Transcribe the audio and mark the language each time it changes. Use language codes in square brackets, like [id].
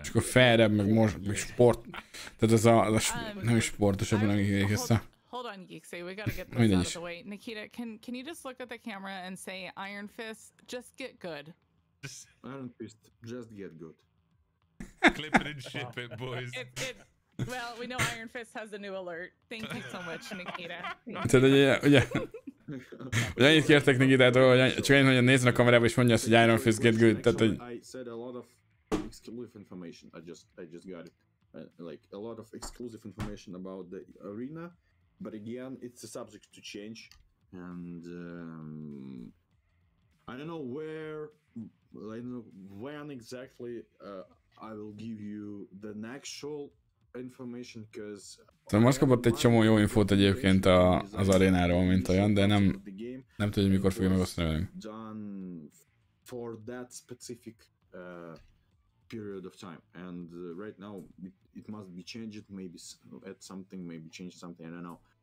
[hu] És akkor fairebb, meg sport. Tehát ez nem is sportosabb, hanem kihegyezte. [en] Hold on, GeeksEh, we gotta get this out of the way. Nikita, can you just look at the camera and say, Iron Fist, just get good. Iron Fist, just get good. Clip it and ship it, boys. Well, we know Iron Fist has a new alert. Thank you so much, Nikita. [hu] Tehát ugye annyit kértek Nikitától, csak én, hogy nézzen a kamerába, és mondja azt, hogy Iron Fist, [en] get good. [hu] Tehát, hogy... [en] I said a lot of exclusive information. I just got it. Like, a lot of exclusive information about the arena. But again, it's a subject to change, and I don't know where, I don't know when exactly I will give you the actual information, because. [hu] Tehát most kapott egy csomó jó infót egyébként az arénáról, mint olyan, de nem tudja, mikor fogja megosztani velünk. [en] For that specific period of time, and right now it must be changed, maybe at something, maybe change something, I don't know.